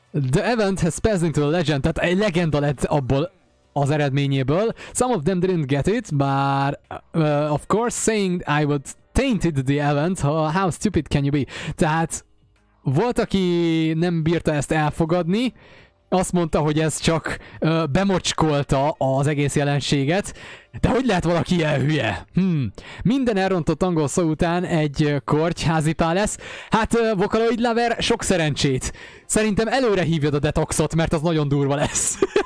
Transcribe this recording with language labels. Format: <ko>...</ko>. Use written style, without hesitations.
<en>The event has passed into a legend,</en> <hu>tehát egy legenda lett abból az eredményéből.</hu> <en>Some of them didn't get it, but of course saying I would tainted the event, how stupid can you be?</en> <hu>Tehát volt, aki nem bírta ezt elfogadni, azt mondta, hogy ez csak bemocskolta az egész jelenséget. De hogy lehet valaki ilyen hülye? Minden elrontott angol szó után egy kortyházi pál lesz. Hát, Vocaloid Lover, sok szerencsét. Szerintem előre hívjad a detoxot, mert az nagyon durva lesz.</hu>